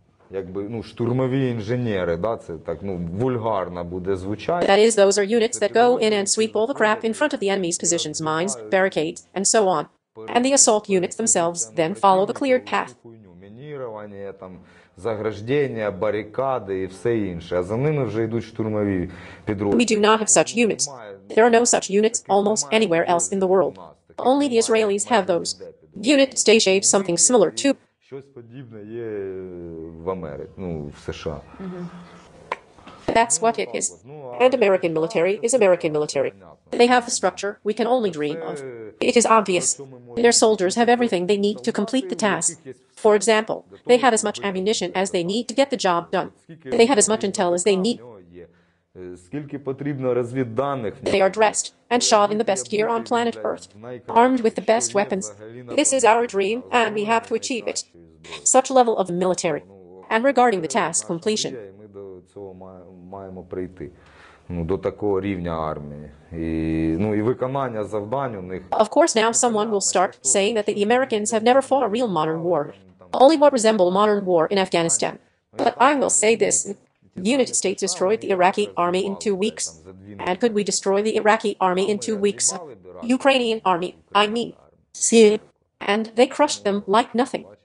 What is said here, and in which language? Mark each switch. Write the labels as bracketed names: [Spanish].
[Ukrainian] Якби, ну, штурмові інженери, да, це так, ну, вульгарно буде звучати. [English] That is, those are units that go in and sweep all the crap in front of the enemy's positions, mines, barricades, and so on. And the assault units themselves then follow the cleared path. [Ukrainian] Мінірування, там, заграждення, барикади і все інше. А за ними вже йдуть штурмові підрозділи. [English] We do not have such units. There are no such units almost anywhere else in the world. Only the Israelis have those. Unit stage something similar to... [Ukrainian] Щось подібне є в Америці, ну, в США. [English] Mm-hmm. That's what it is. And American military is American military. They have the structure we can only dream of. It is obvious. Their soldiers have everything they need to complete the task. For example, they have as much ammunition as they need to get the job done. They have as much intel as they need. [Ukrainian] Скільки потрібно розвідданих? [English] They are dressed and shod in the best gear on planet Earth, armed with the best weapons. This is our dream, and we have to achieve it. Such level of military. And regarding the task completion. [Ukrainian] Ми до цього маємо прийти. Ну, до такого рівня армії. І, ну, і виконання завдань у них. [English] Of course, now someone will start saying that the Americans have never fought a real modern war. Only what resembled modern war in Afghanistan. But I will say this. United States destroyed the Iraqi army in 2 weeks. And could we destroy the Iraqi army in 2 weeks? Ukrainian army, I mean. See? And they crushed them like nothing.